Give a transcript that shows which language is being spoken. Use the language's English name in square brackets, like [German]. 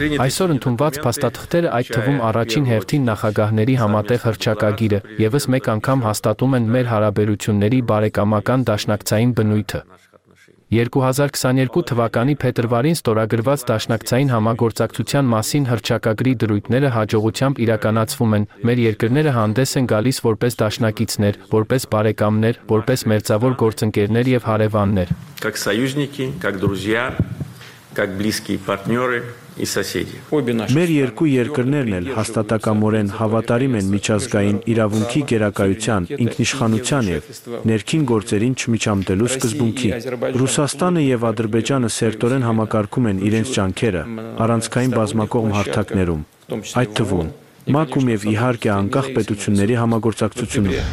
[Armenian] Այսօր ընդունված փաստաթղթերը, այդ թվում առաջին հերթին նախագահների համատեղ հռչակագիրը, եւս մեկ անգամ հաստատում են մեր հարաբերությունների բարեկամական դաշնակցային բնույթը։ 2022 թվականի փետրվարին ստորագրված դաշնակցային համագործակցության մասին հռչակագրի դրույթները հաջողությամբ իրականացվում են։ Մեր երկրները հանդես են գալիս որպես դաշնակիցներ, որպես բարեկամներ, որպես մերձավոր գործընկերներ եւ հարևաններ։ [Russian] Как союзники, как друзья, как близкие партнеры и соседи. [Armenian] Մեր երկու երկրներն էլ հաստատակամորեն հավատարիմ են միջազգային իրավունքի գերակայության, ինքնիշխանության եւ ներքին գործերին չմիջամտելու սկզբունքի։ Ռուսաստանը եւ Ադրբեջանը սերտորեն համակարգում են իրենց ջանքերը առանցքային բազմակողմ հարթակներում, այդ թվում Մակում եւ իհարկե անկախ պետությունների համագործակցությունը։